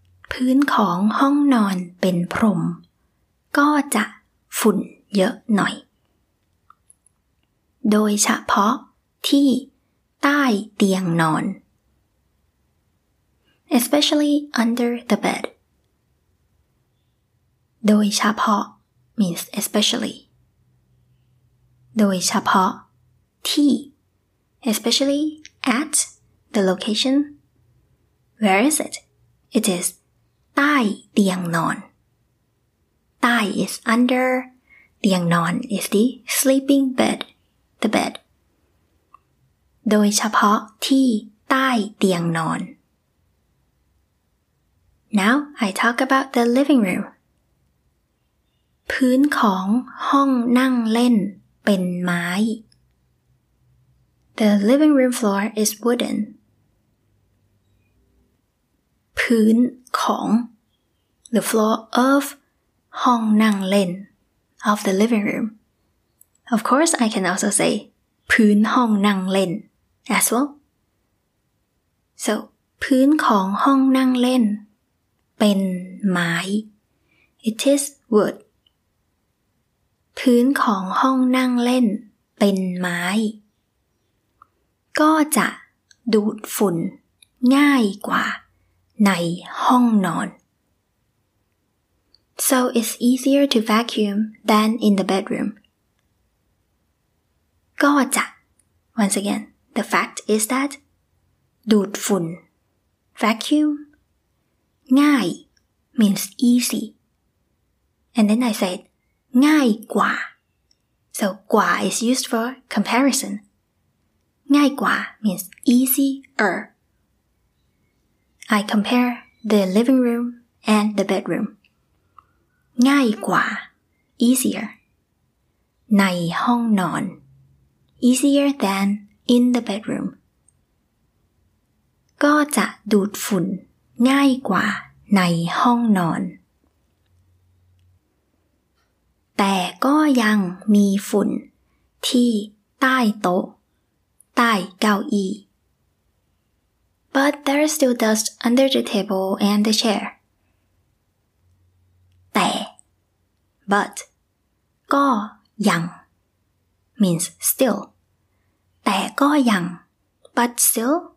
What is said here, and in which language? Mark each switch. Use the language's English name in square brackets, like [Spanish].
[Thai] พื้นของห้องนอนเป็นพรมก็จะฝุ่นเยอะหน่อยโดยเฉพาะที่ใต้เตียงนอน [English] especially under the bed โดยเฉพาะ means especially โดยเฉพาะที่ especially at the location where is it it is [Thai] ใต้เตียงนอนใต้ [English] is under [Thai] เตียงนอน [English] is the sleeping bed the bed [Thai] โดยเฉพาะที่ใต้เตียงนอน [English] Now I talk about the living room [Thai] พื้นของห้องนั่งเล่นเป็นไม้ [English] The living room floor is wooden [Thai] พื้นของ [English] the floor of [Thai] ห้องนั่งเล่น [English] of the living room of course I can also say [Thai] พื้นห้องนั่งเล่น [English] as well [Thai] so พื้นของห้องนั่งเล่นเป็นไม้ [English] it is wood [Thai] พื้นของห้องนั่งเล่นเป็นไม้ก็จะดูดฝุ่นง่ายกว่าในห้องนอน [English] So it's easier to vacuum than in the bedroom. [Thai] ก็จะ [English] Once again, the fact is that [Thai] ดูดฝุ่น [English] vacuum ง่าย means easy. And then I said [Thai] ง่ายกว่า [English] So กว่า is used for comparison. ง่ายกว่า means easier. I compare the living room and the bedroom. [Thai] ง่ายกว่า [English] easier [Thai] ในห้องนอน [English] easier than in the bedroom [Thai] ก็จะดูดฝุ่นง่ายกว่าในห้องนอนแต่ก็ยังมีฝุ่นที่ใต้โต๊ะใต้เก้าอี้ [English] but there is still dust under the table and the chair [Thai] แต่ [English] But [Thai] ก็ยัง [English] means still [Thai] แต่ก็ยัง [English] but still